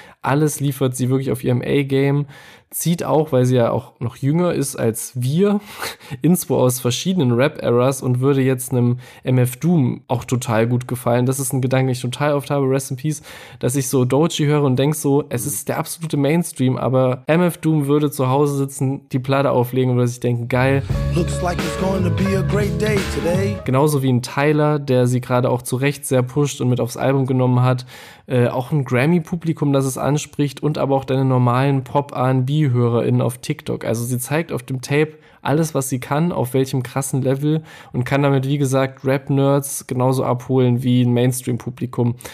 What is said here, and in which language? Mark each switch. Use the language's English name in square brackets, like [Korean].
[German] Alles liefert sie wirklich auf ihrem A-Game. Zieht auch, weil sie ja auch noch jünger ist als wir, Inspo aus verschiedenen Rap-Eras und würde jetzt einem MF Doom auch total gut gefallen. Das ist ein Gedanke, den ich total oft habe, rest in peace, dass ich so Doechii höre und denke so, es ist der absolute Mainstream, aber MF Doom würde zu Hause sitzen, die Platte auflegen und würde sich denken, geil. [English] Looks like it's going to be a great day today. [German] Genauso wie ein Tyler, der sie gerade auch zu Recht sehr pusht und mit aufs Album genommen hat. Auch ein Grammy-Publikum, das es anspricht und aber auch deine normalen Pop-R&B-HörerInnen auf TikTok. Also sie zeigt auf dem Tape alles, was sie kann, auf welchem krassen Level und kann damit, wie gesagt, Rap-Nerds genauso abholen wie ein Mainstream-Publikum.